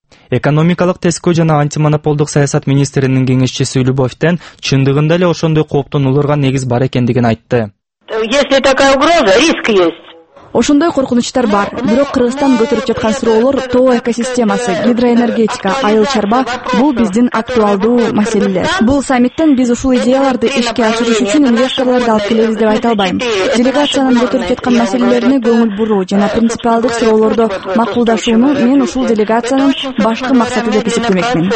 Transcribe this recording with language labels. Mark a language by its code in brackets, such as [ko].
[ky] Экономикалык тескөө жана антимонополдук саясат министринин кеңешчиси Любовтен чындыгында эле ошондой кооптон улурган негиз бар экендигин айтты. [ru] Если такая угроза, риск есть. [ky] Ошондой коркунучтар бар, бирок Кыргызстан көтөрүп жаткан суроолор тоо экосистемасы, гидроэнергетика, айыл чарба бул биздин актуалдуу маселелер. Бул саммиттен биз ушул идеяларды ишке ашырыш үчүн инвесторлорду алып келебиз деп айта албайм. Делегациянын көтөрүп жаткан маселелерине көңүл буруу жана принципиалдык суроолордо макулдашууну мен ушул делегациянын башкы максаты деп эсептемекмин.